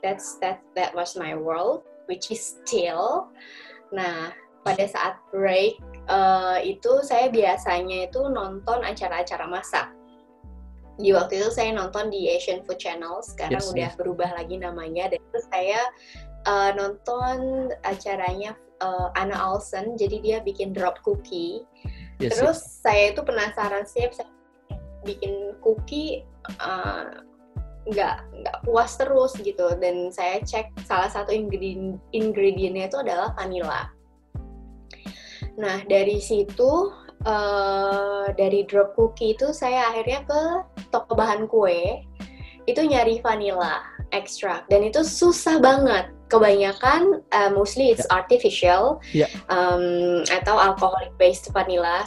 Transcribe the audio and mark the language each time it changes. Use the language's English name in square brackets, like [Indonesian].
[English] That was my world, which is still. [Indonesian] Nah, pada saat break itu saya biasanya itu nonton acara-acara masak. Di waktu itu saya nonton di Asian Food Channel, sekarang udah berubah lagi namanya. Dan itu saya nonton acaranya Anna Olsen, jadi dia bikin drop cookie. Terus saya itu penasaran sih, saya bikin cookie nggak puas terus gitu. Dan saya cek salah satu ingredientnya itu adalah vanilla. Nah, dari situ, dari drop cookie itu saya akhirnya ke toko bahan kue itu nyari vanilla extract, dan itu susah banget. Kebanyakan [English] mostly it's artificial [Indonesian] atau alcoholic based vanilla.